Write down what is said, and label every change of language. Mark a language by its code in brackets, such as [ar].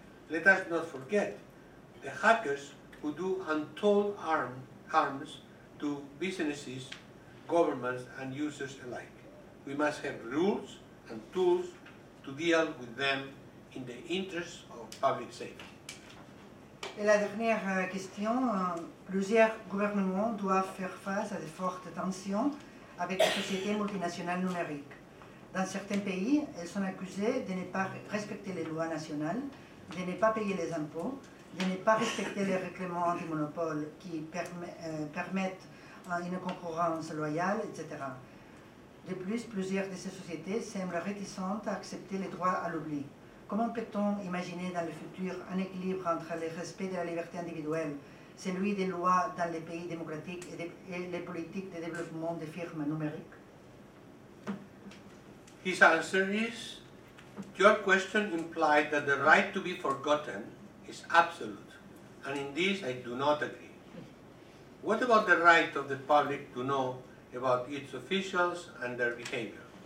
[en] Let us not forget the hackers who do untold harms to businesses, governments, and users alike. We must have rules and tools to deal with them in the interest of public safety. [fr] Et la dernière question, plusieurs gouvernements doivent faire face à de fortes tensions avec les sociétés multinationales numériques. Dans certains pays, elles sont accusées de ne pas respecter les lois nationales, de ne pas payer les impôts, de ne pas respecter les règlements anti-monopole qui permettent une concurrence loyale, etc. De plus, plusieurs de ces sociétés semblent réticentes à accepter les droits à l'oubli. Comment peut-on imaginer dans le futur un équilibre entre le respect de la liberté individuelle, celui des lois dans les pays démocratiques et les politiques de développement des firmes numériques? [en] His answer is, your question implied that the right to be forgotten is absolute, and in this I do not agree. What about the right of the public to know about its officials and their behavior?